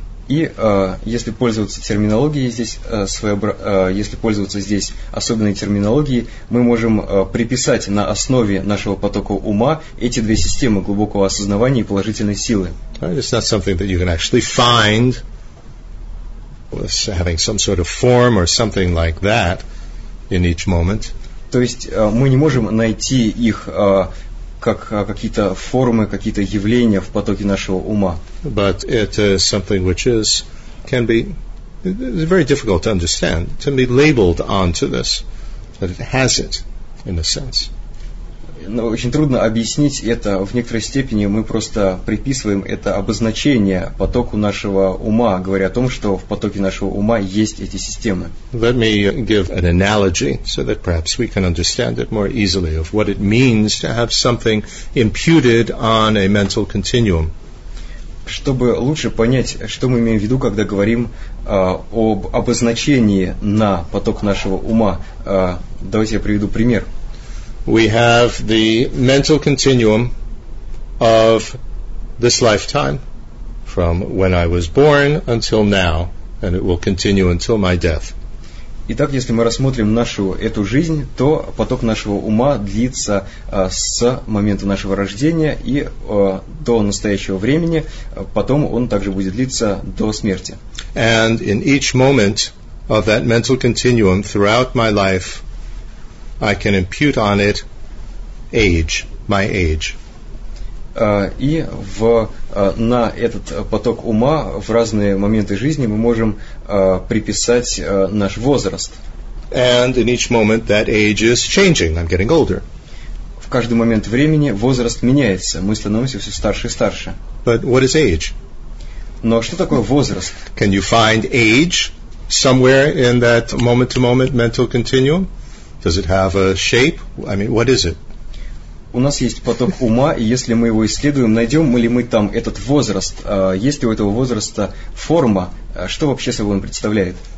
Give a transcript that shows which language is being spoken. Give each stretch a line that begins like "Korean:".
Russian: И если пользоваться терминологией здесь, если пользоваться здесь особенной терминологией, мы можем приписать на основе нашего потока ума эти две системы глубокого осознавания и положительной силы.
English: It's not something that you can actually find having some sort of form or something like that in each moment.
Russian: То есть мы не можем найти их как какие-то формы, какие-то явления в потоке нашего ума.
English: But it is something which is can be it's very difficult to understand, to be labeled onto this, that it has it in a sense.
Russian: Но очень трудно объяснить это. В некоторой степени мы просто приписываем это обозначение потоку нашего ума, говоря о том, что в потоке нашего ума есть эти системы.
English: Let me give an analogy so that perhaps we can understand it more easily of what it means to have something imputed on a mental continuum.
Russian: Чтобы лучше понять, что мы имеем в виду, когда говорим об обозначении на поток нашего ума, давайте я приведу пример.
English: We have the mental continuum of this lifetime from when I was born until now, and it will continue until my death.
Russian: Итак, если мы рассмотрим нашу эту жизнь, то поток нашего ума длится с момента нашего рождения и до настоящего времени, потом он также будет длиться до смерти.
English: And in each moment of that mental continuum throughout my life, I can impute on it age, my age.
Russian: И в на этот поток ума в разные моменты жизни мы можем приписать наш возраст.
English: And in each moment that age is changing. I'm getting older.
Russian: В каждый момент времени возраст меняется. Мы становимся все старше и старше.
English: But what is age?
Russian: Но что такое возраст?
English: Can you find age somewhere in that moment-to-moment mental continuum? Does it have a shape? I mean, what is it?
Russian: У нас есть поток ума, и если мы его исследуем, найдем ли мы там этот возраст? Есть ли у этого возраста форма? Что вообще собой он представляет?